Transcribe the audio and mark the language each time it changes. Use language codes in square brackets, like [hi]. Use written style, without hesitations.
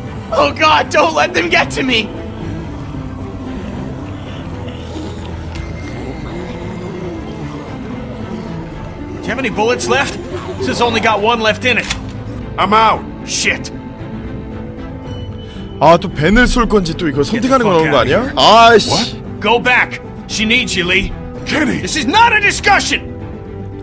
[en] Oh God, don't let them get to me. 'Do you have any bullets left? This has only got one left in it. I'm out. Shit. [ko] 아, 또 벤을 쏠 건지 또 이거 선택하는 거 나온 거 아니야? 아, 씨. [en] Go back. She needs you, Lee. Kenny. This is not a discussion.